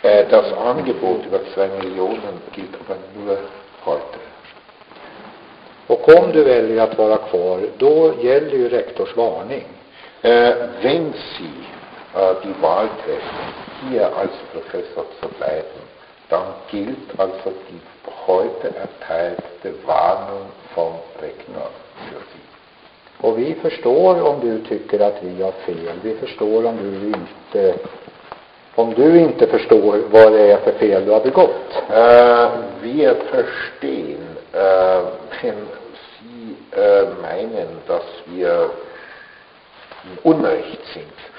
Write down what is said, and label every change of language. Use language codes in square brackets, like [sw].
[de] Das Angebot über 2 Millionen gilt aber nur heute. [sv] Och om du väljer att vara kvar, då gäller ju rektors varning. [de] Wenn Sie die Wahl treffen, hier als Professor zu bleiben, dann gilt also die heute erteilte Warnung vom Rektor für Sie. [sv] Och vi förstår om du tycker att vi har fel. Vi förstår om du inte... Om du inte förstår vad det är för fel du har begått. [de] Wir verstehen, wenn Sie meinen, dass wir unrecht sind.